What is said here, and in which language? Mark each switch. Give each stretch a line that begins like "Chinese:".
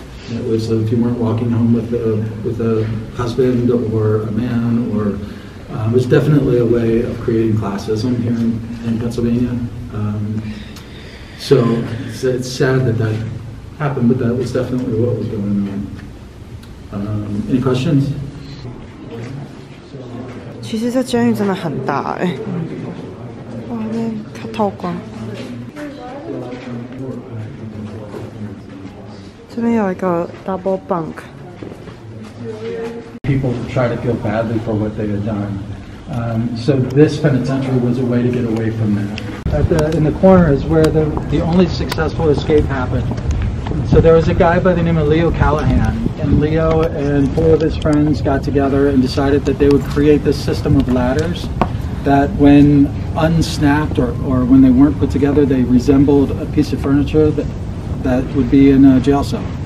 English: That was if you weren't walking home with a husband or a man orIt was definitely a way of creating classism here in Pennsylvania. So it's sad that happened, but that was definitely what was going on. Any questions?
Chinese: 其实这监狱真的很大哎、欸，哇，那它透光。
English: 这边有一个 double bunk. People try to feel badly for what they had done. So this penitentiary was a way to get away from that. In the corner is where the only successful escape happened. So there was a guy by the name of Leo Callahan, and Leo and four of his friends got together and decided that they would create this system of ladders that when unsnapped or when they weren't put together, they resembled a piece of furniture that would be in a jail cell.